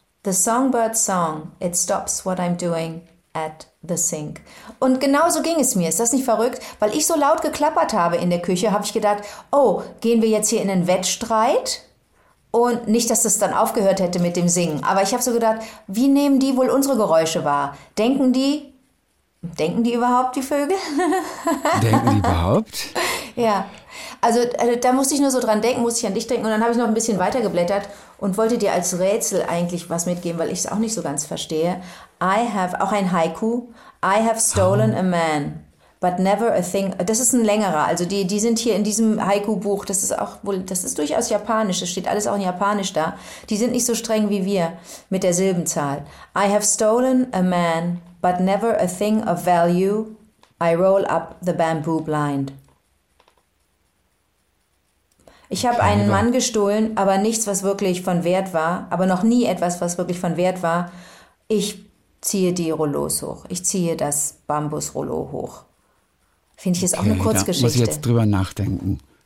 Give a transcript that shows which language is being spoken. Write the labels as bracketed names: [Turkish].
[English] The Songbird Song, It Stops What I'm Doing at the Sink. [German] Und genau so ging es mir. Ist das nicht verrückt? Weil ich so laut geklappert habe in der Küche, habe ich gedacht, oh, gehen wir jetzt hier in einen Wettstreit? Und nicht, dass das dann aufgehört hätte mit dem Singen. Aber ich habe so gedacht, wie nehmen die wohl unsere Geräusche wahr? Denken die überhaupt, die Vögel? Denken die überhaupt? Ja. Also da musste ich nur so dran denken, musste ich an dich denken. Und dann habe ich noch ein bisschen weiter geblättert. und wollte dir als Rätsel eigentlich was mitgeben, weil ich es auch nicht so ganz verstehe. [English] I have, [German] auch ein Haiku, [English] I have stolen a man, but never a thing. [German] Das ist ein längerer, also die sind hier in diesem Haiku-Buch, das ist auch wohl, das ist durchaus japanisch, das steht alles auch in Japanisch da. Die sind nicht so streng wie wir mit der Silbenzahl. [English] I have stolen a man, but never a thing of value. I roll up the bamboo blind. [German] Ich habe einen Mann gestohlen, aber nichts, was wirklich von Wert war, aber noch nie etwas, was wirklich von Wert war. Ich ziehe die Rollos hoch. Ich ziehe das Bambusrollo hoch. Finde ich jetzt auch eine Kurzgeschichte. Da muss ich jetzt drüber nachdenken.